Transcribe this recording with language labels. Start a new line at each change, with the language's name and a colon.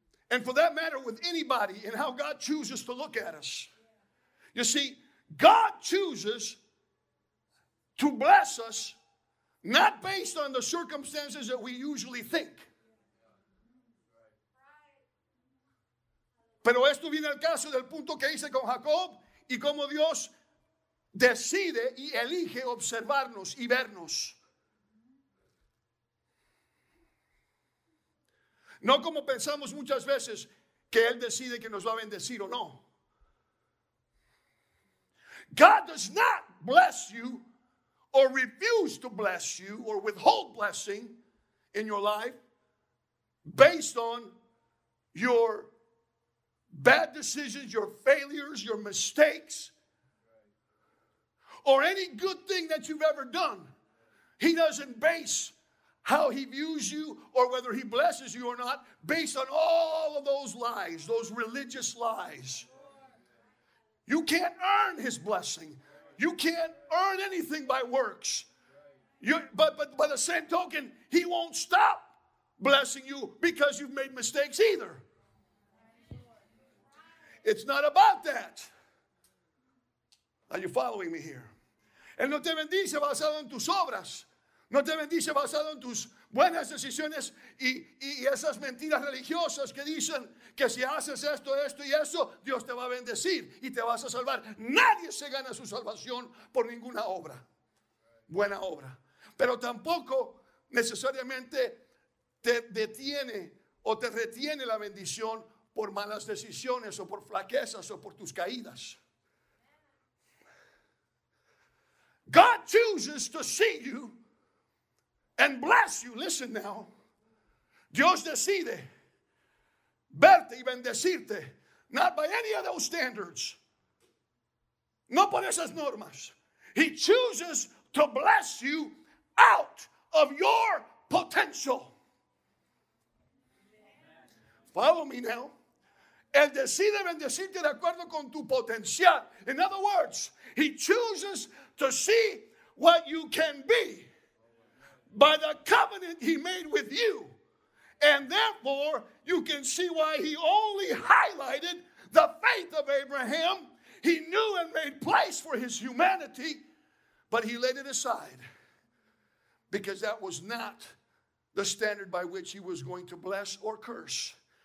English: And for that matter, with anybody and how God chooses to look at us. You see, God chooses to bless us not based on the circumstances that we usually think.
Spanish: Pero esto viene al caso del punto que hice con Jacob y cómo Dios decide y elige observarnos y vernos. No como pensamos muchas veces que Él decide que nos va a bendecir o no.
English: God does not bless you or refuse to bless you or withhold blessing in your life based on your bad decisions, your failures, your mistakes, or any good thing that you've ever done. He doesn't base how he views you or whether he blesses you or not based on all of those lies, those religious lies. You can't earn his blessing. You can't earn anything by works. But by the same token, he won't stop blessing you because you've made mistakes either. It's not about that. Are you following me here?
Spanish: Él no te bendice basado en tus obras. No te bendice basado en tus buenas decisiones y esas mentiras religiosas que dicen que si haces esto, esto y eso, Dios te va a bendecir y te vas a salvar. Nadie se gana su salvación por ninguna obra, buena obra. Pero tampoco necesariamente te detiene o te retiene la bendición por malas decisiones o por flaquezas o por tus caídas.
English: God chooses to see you and bless you. Listen now.
Spanish: Dios decide verte y bendecirte.
English: Not by any of those standards.
Spanish: No por esas normas.
English: He chooses to bless you out of your potential. Follow me now.
Spanish: Él decide bendecirte de acuerdo con tu potencial.
English: In other words, he chooses to see what you can be by the covenant he made with you. And therefore, you can see why he only highlighted the faith of Abraham. He knew and made place for his humanity, but he laid it aside because that was not the standard by which he was going to bless or curse.